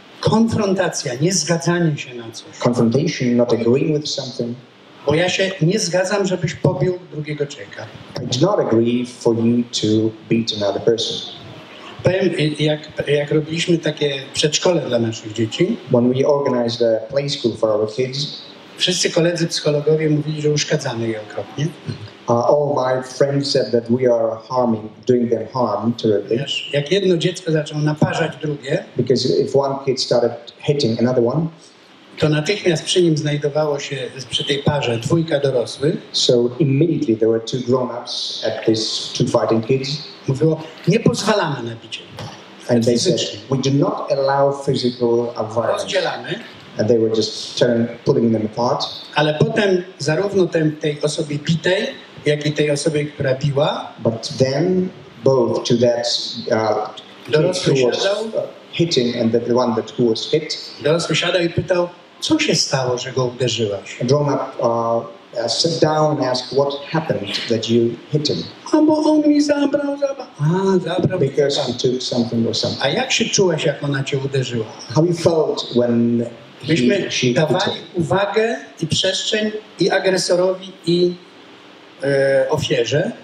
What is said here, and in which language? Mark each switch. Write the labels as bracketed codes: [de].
[pl] Konfrontacja, nie zgadzanie się na coś. [en] Confrontation, not agreeing with something. [pl] Bo ja się nie zgadzam, żebyś pobił drugiego człowieka. [en] I do not agree for you to beat another person. [pl] Powiem, jak robiliśmy takie przedszkole dla naszych dzieci. [en] When we organized a play school for our kids. [pl] Wszyscy koledzy psychologowie mówili, że uszkadzamy je okropnie. [en] All my friends said that we are harming, doing them harm terribly. [pl] Jak jedno dziecko zaczęło naparzać drugie, [en] because if one kid started hitting another one, [pl] to natychmiast przy nim znajdowało się przy tej parze dwójka dorosłych. [en] So immediately there were two grown-ups at this two fighting kids. [pl] Mówiło, nie pozwalamy na bicie. [en] And they said, we do not allow physical violence. [pl] Rozdzielamy. [en] And they were just turning, putting them apart. [pl] Ale potem zarówno tej osobie bitej, jak i tej osobie, która biła. [en] But then both to that [pl] dorosły siadał, [en] hitting and the one that who was hit. [pl] Dorosły siadał i pytał, co się stało, że go uderzyłaś? [en] A grown up sat down and asked, what happened that you hit him? [pl] A bo on mi zabrał, zabrał. [en] Because he took something or something. [pl] A jak się czułeś, jak ona cię uderzyła? [en] How you felt when [pl] myśmy dawali uwagę i przestrzeń i agresorowi, i ofierze.